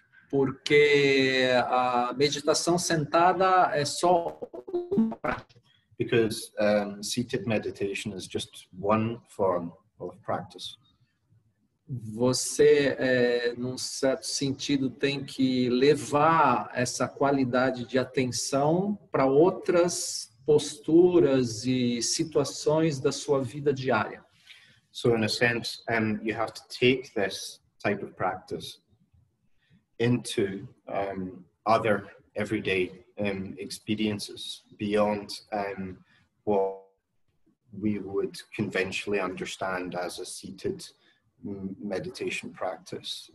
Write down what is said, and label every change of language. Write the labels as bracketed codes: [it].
[pt] Porque a meditação sentada é só uma prática. [en] Because seated meditation is just one form of practice. [pt] Você, num certo sentido, tem que levar essa qualidade de atenção para outras posturas e situações da sua vida diária. [en] So, in a sense, you have to take this type of practice into other everyday experiences beyond what we would conventionally understand as a seated meditation practice.